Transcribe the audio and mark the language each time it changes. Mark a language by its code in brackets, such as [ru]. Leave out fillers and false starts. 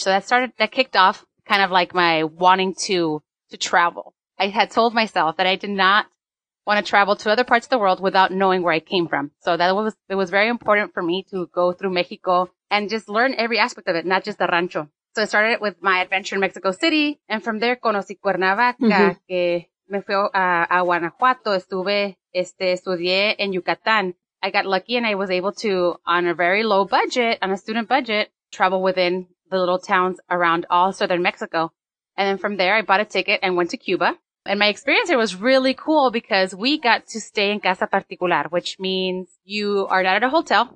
[en] So that started, that kicked off kind of like my wanting to travel. I had told myself that I did not want to travel to other parts of the world without knowing where I came from. So that was, it was very important for me to go through Mexico and just learn every aspect of it, not just the rancho. So I started with my adventure in Mexico City. And from there, [es] conocí [en] Cuernavaca, mm-hmm. [es] que me fui a Guanajuato, estuve, estudié en Yucatán. [en] I got lucky and I was able to, on a very low budget, on a student budget, travel within the little towns around all southern Mexico. And then from there, I bought a ticket and went to Cuba. And my experience here was really cool because we got to stay in Casa Particular, which means you are not at a hotel.